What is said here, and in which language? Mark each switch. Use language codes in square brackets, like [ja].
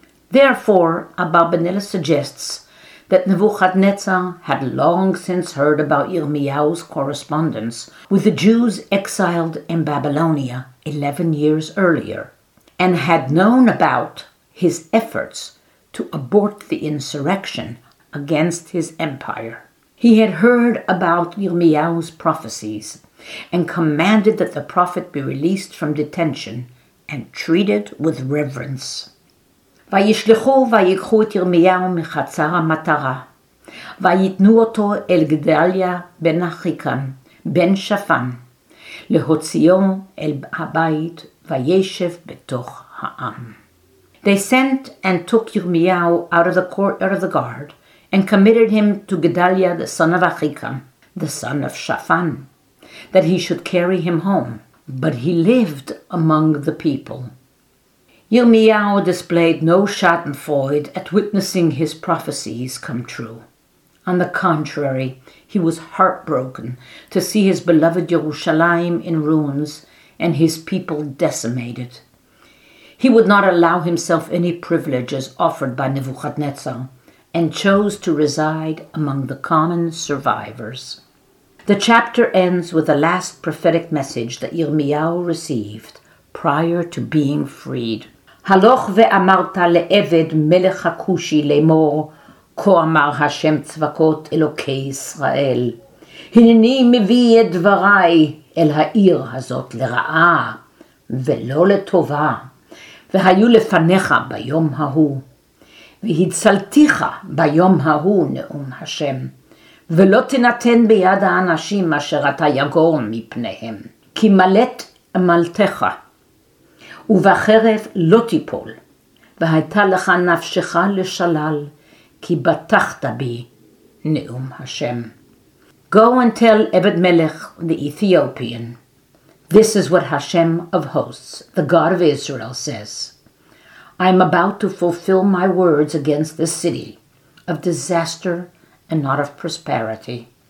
[en] Therefore, Abarbanel suggests that Nebuchadnezzar had long since heard about Yirmiyahu's correspondence with the Jews exiled in Babylonia 11 years earlier, and had known about his efforts to abort the insurrection against his empire. He had heard about Yirmiyahu's prophecies and commanded that the prophet be released from detention and treated with reverence. [he] וישלחו ויקחו את ירמיהו מחצר המטרה, ויתנו אותו אל גדליה בן אחיקם, בן שפן, להוציאו אל הבית וישב בתוך העם. [en] They sent and took Yirmiyahu out of the courtyard of the guard and committed him to Gedaliah the son of Achikam, the son of Shaphan, that he should carry him home. But he lived among the people. Yirmiyahu displayed no schadenfreude at witnessing his prophecies come true. On the contrary, he was heartbroken to see his beloved Yerushalayim in ruins and his people decimated. He would not allow himself any privileges offered by Nebuchadnezzar and chose to reside among the common survivors. The chapter ends with the last prophetic message that Yirmiyahu received prior to being freed. [he] הלוך ואמרת לעבד מלך הקושי לאמור, כה אמר השם צבקות אלוקי ישראל, הנני מביא את דבריי אל העיר הזאת לרעה ולא לטובה, והיו לפניך ביום ההוא, והצלתיך ביום ההוא, נאום השם, ולא תנתן ביד האנשים אשר אתה יגור מפניהם, כי מלאת מלתך, ובחרב לא תיפול, והייתה לך נפשך לשלל, כי בטחת בי, נאום השם. [en] Go and tell Ebed-Melech, the Ethiopian, this is what Hashem of hosts, the God of Israel, says. I am about to fulfill my words against this city, of disaster and not of prosperity.